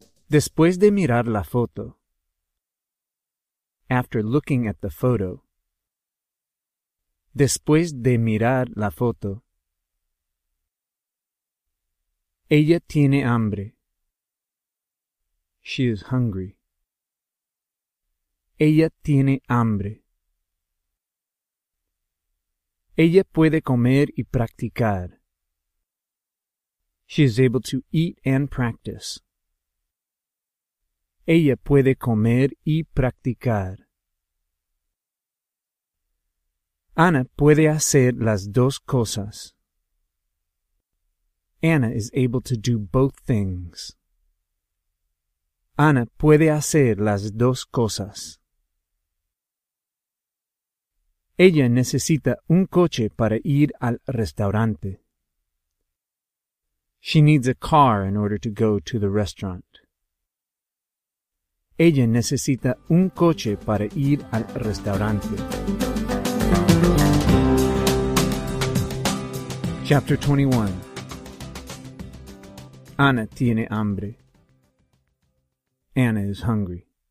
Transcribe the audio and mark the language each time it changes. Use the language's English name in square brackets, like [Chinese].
[Spanish] Después de mirar la foto. [English] After looking at the photo. [Spanish] Después de mirar la foto. Ella tiene hambre. [English] She is hungry. [Spanish] Ella tiene hambre. Ella puede comer y practicar. [English] She is able to eat and practice. [Spanish] Ella puede comer y practicar. Ana puede hacer las dos cosas. [English] Ana is able to do both things. [Spanish] Ana puede hacer las dos cosas. Ella necesita un coche para ir al restaurante. [English] She needs a car in order to go to the restaurant. [Spanish] Ella necesita un coche para ir al restaurante. [English] Chapter 21. [Spanish] Ana tiene hambre. [English] Ana is hungry.